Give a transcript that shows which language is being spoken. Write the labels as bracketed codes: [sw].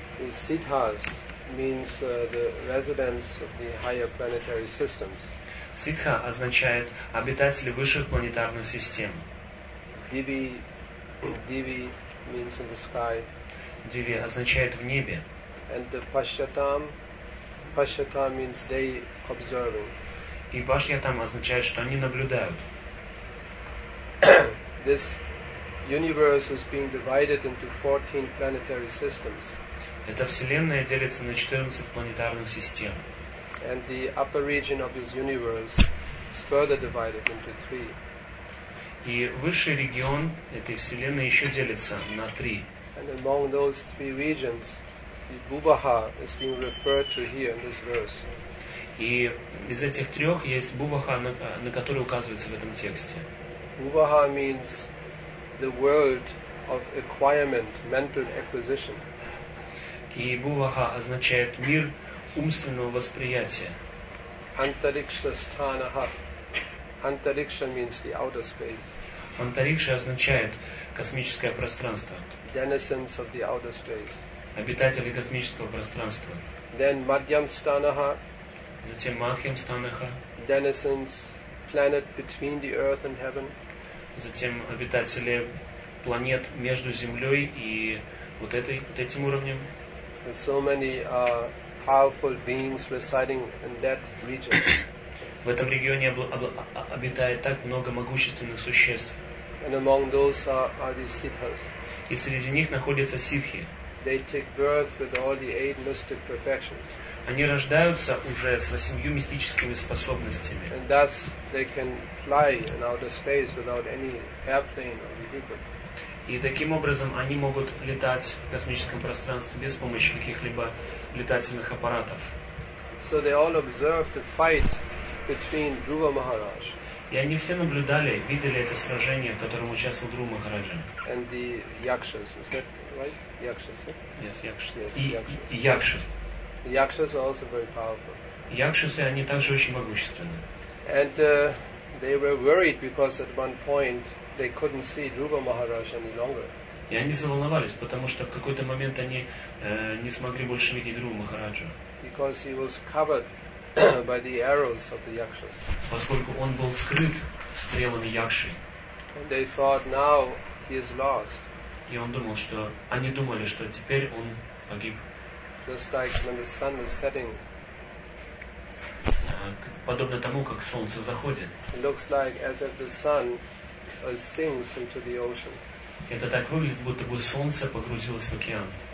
[en] Siddhas means the residents of the higher planetary systems. [ru] Ситха означает обитатели высших планетарных систем. [en] Диви means in the sky. [ru] Диви означает в небе. [en] And the пашьятам means they observing. [ru] И пашьятам означает, что они наблюдают. [en] This universe is being divided into 14 planetary systems. [ru] Эта вселенная делится на 14 планетарных систем. [en] And the upper region of this universe is further divided into three. [ru] И высший регион этой вселенной еще делится на три. [en] And among those three regions, the Bhuvaha is being referred to here in this verse. [ru] И из этих трех есть Бхуваха, на который указывается в этом тексте. [en] Bhuvaha means the world of acquirement, mental acquisition. [ru] И Бхуваха означает мир умственного восприятия. [en] Antariksha sthanaha. Antariksha means the outer space. [ru] Antariksha означает космическое пространство. [en] Denizens of the outer space. [ru] Обитатели космического пространства. [en] Then madhyam sthanaha. [ru] Затем madhyam sthanaha. [en] Denizens, planet between the earth and heaven. [ru] Затем обитатели планет между землей и вот этим уровнем. [en] And so many powerful beings residing in that region. [ru] В этом регионе обитает так много могущественных существ. [en] And among those are the Siddhas. [ru] и среди них находятся ситхи. [en] They take birth with all the eight mystic perfections. [ru] Они рождаются уже с 8 мистическими способностями. [en] And thus they can fly in outer space without any airplane or vehicle. [ru] И таким образом они могут летать в космическом пространстве без помощи каких-либо летательных аппаратов. [en] So they all observed the fight between Dhruva Maharaj. [ru] И они все наблюдали, видели это сражение, в котором участвовал Друва Махараджа. [en] And the Yakshas, is that right? Yakshas, yeah? Yes, Yakshas. Yes, [ru] и Yakshas. [en] The Yakshas are also very powerful. [ru] Yakshas, они также очень могущественны. [en] And they were worried because at one point they couldn't see Dhruva Maharaj any longer. [ru] И они заволновались, потому что в какой-то момент они не смогли больше видеть Друва Махараджа. [en] Because he was covered by the arrows of the Yakshas. [ru] Поскольку он был скрыт стрелами Якши. [en] And they thought now he is lost. [ru] И он думал, что они думали, что теперь он погиб. [en] Just like when the sun is setting. [ru] Подобно тому, как солнце заходит. [en] It looks like as if the sun sinks into the ocean. [ru] Это так выглядит, будто бы солнце погрузилось в океан.